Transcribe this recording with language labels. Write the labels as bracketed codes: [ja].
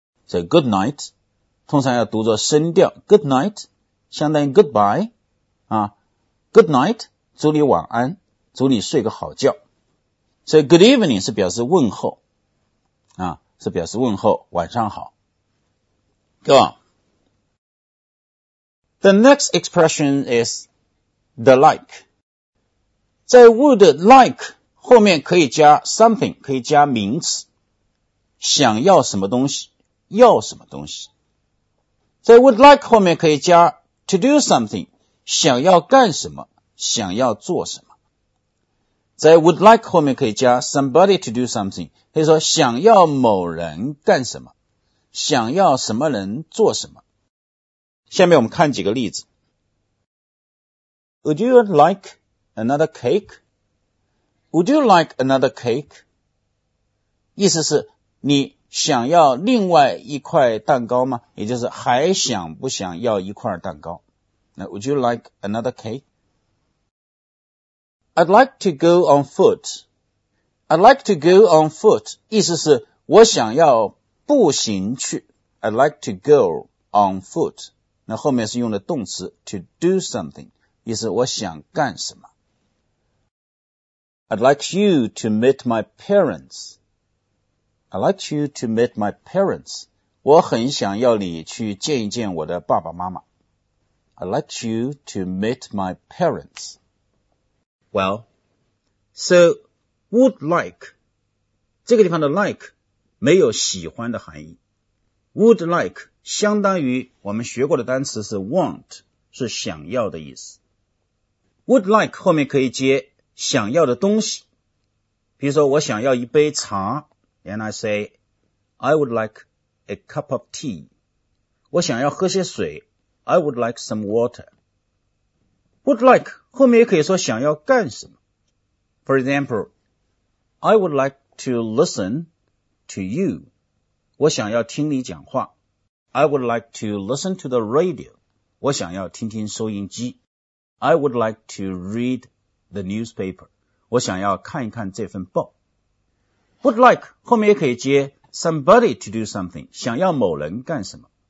[zh] 所以 good night, 通常要读作声调 good night, 相当于 goodbye, 啊Good night, 祝你晚安，祝你睡个好觉。所以 good evening 是表示问候，啊，是表示问候，晚上好。 [en] Go on. The next expression is the like. [zh] 在 would like 后面可以加 something, 可以加名词，想要什么东西，要什么东西。在 would like 后面可以加 to do something, 想要干什么。想要做什么在 would like 后面可以加 somebody to do something 可以说想要某人干什么想要什么人做什么下面我们看几个例子 [en] Would you like another cake? Would you like another cake? [zh] 意思是你想要另外一块蛋糕吗也就是还想不想要一块蛋糕 [en] Now, Would you like another cake? I'd like to go on foot. I'd like to go on foot. [zh] 意思是我想要步行去。 [en] I'd like to go on foot. [zh] 那后面是用的动词 to do something. 意思我想干什么。 [en] I'd like you to meet my parents. I'd like you to meet my parents. [zh] 我很想要你去见一见我的爸爸妈妈。 [en] I'd like you to meet my parents. [zh] Well, so would like, 这个地方的 like 没有喜欢的含义。 would like 相当于我们学过的单词是 want, 是想要的意思。 Would like 后面可以接想要的东西。比如说我想要一杯茶 , [en] and I say, I would like a cup of tea. [zh] 我想要喝些水 , [en] I would like some water. [zh] Would like 后面也可以说想要干什么。 [en] For example, I would like to listen to you. [zh] 我想要听你讲话。 [en] I would like to listen to the radio. [zh] 我想要听听收音机。 [en] I would like to read the newspaper. [zh] 我想要看一看这份报。 Would like 后面也可以接 somebody to do something, 想要某人干什么。